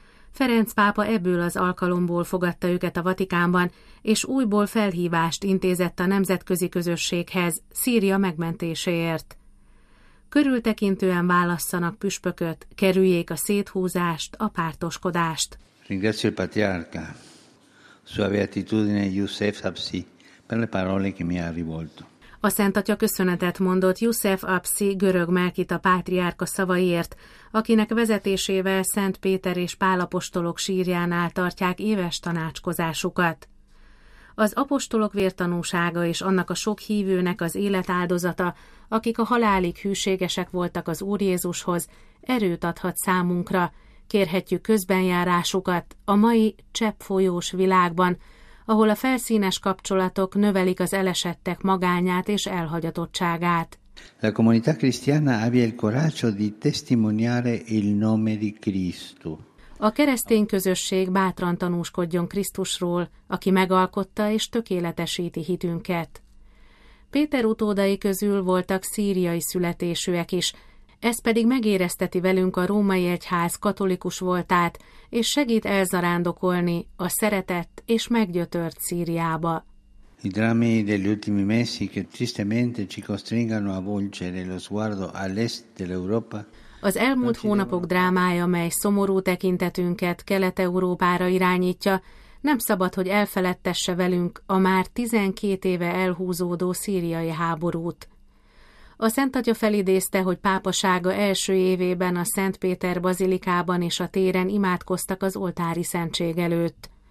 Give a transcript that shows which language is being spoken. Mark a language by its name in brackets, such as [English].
[Hungarian] Ferenc pápa ebből az alkalomból fogadta őket a Vatikánban, és újból felhívást intézett a nemzetközi közösséghez Szíria megmentéséért. Körültekintően válasszanak püspököt, kerüljék a széthúzást, a pártoskodást. [Italian] Ringrazio il patriarca, sua beatitudine Youssef Apsi, per le parole che mi ha rivolto. [Hungarian] A Szentatya köszönetet mondott Youssef Apsi, görög Melkita pátriárka szavaiért, akinek vezetésével Szent Péter és Pál apostolok sírjánál tartják éves tanácskozásukat. Az apostolok vértanúsága és annak a sok hívőnek az életáldozata, akik a halálig hűségesek voltak az Úr Jézushoz, erőt adhat számunkra. Kérhetjük közbenjárásukat a mai cseppfolyós világban, ahol a felszínes kapcsolatok növelik az elesettek magányát és elhagyatottságát. [Italian] La comunità cristiana abbia il coraggio di testimoniare il nome di Cristo. [Hungarian] A keresztény közösség bátran tanúskodjon Krisztusról, aki megalkotta és tökéletesíti hitünket. Péter utódai közül voltak szíriai születésűek is, ez pedig megérezteti velünk a római egyház katolikus voltát, és segít elzarándokolni a szeretett és meggyötört Szíriába. [Italian] I drammi degli ultimi mesi che tristemente ci costringano a volgere lo sguardo all'est dell'Europa. [Hungarian] Az elmúlt hónapok drámája, mely szomorú tekintetünket Kelet-Európára irányítja, nem szabad, hogy elfeledtesse velünk a már 12 éve elhúzódó szíriai háborút. A Szentatya felidézte, hogy pápasága első évében a Szent Péter bazilikában és a téren imádkoztak az oltári szentség előtt.